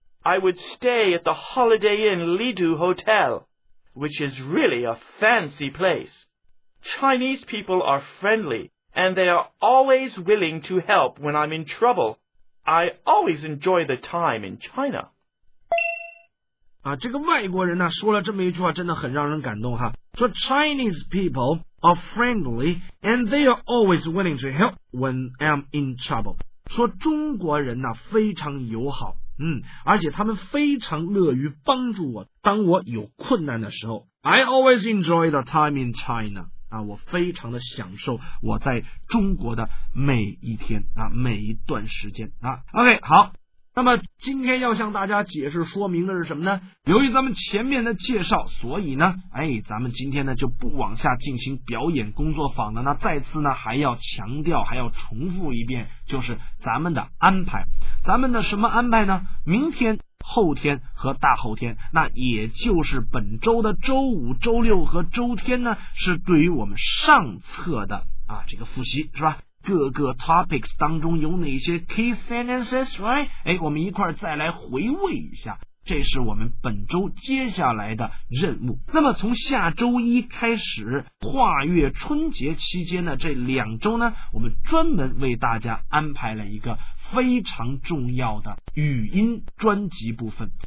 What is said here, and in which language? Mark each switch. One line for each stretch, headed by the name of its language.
English: I would stay at the Holiday Inn Lido Hotel, which is really a fancy place. Chinese people are friendly, and they are always willing to help when I'm in trouble. I always enjoy the time in China.
Chinese: 啊，这个外国人呢、啊、说了这么一句话，真的很让人感动哈。
English: 说 Chinese people are friendly and they are always willing to help when I'm in trouble.
Chinese: 说中国人呢、啊、非常友好，嗯，而且他们非常乐于帮助我，当我有困难的时候。
English: I always enjoy the time in China.
Chinese: 啊，我非常的享受我在中国的每一天啊，每一段时间啊。 OK， 好。那么今天要向大家解释说明的是什么呢？由于咱们前面的介绍，所以呢，哎，咱们今天呢就不往下进行表演工作坊了。那再次呢还要强调，还要重复一遍，就是咱们的安排。咱们的什么安排呢？明天、后天和大后天，那也就是本周的周五、周六和周天呢，是对于我们上册的啊这个复习，是吧？各个 topics 当中有哪些
English: key sentences, right?
Chinese: 哎，我们一块再来回味一下，这是我们本周接下来的任务。那么从下周一开始，跨越春节期间的这两周呢，我们专门为大家安排了一个非常重要的语音专辑部分。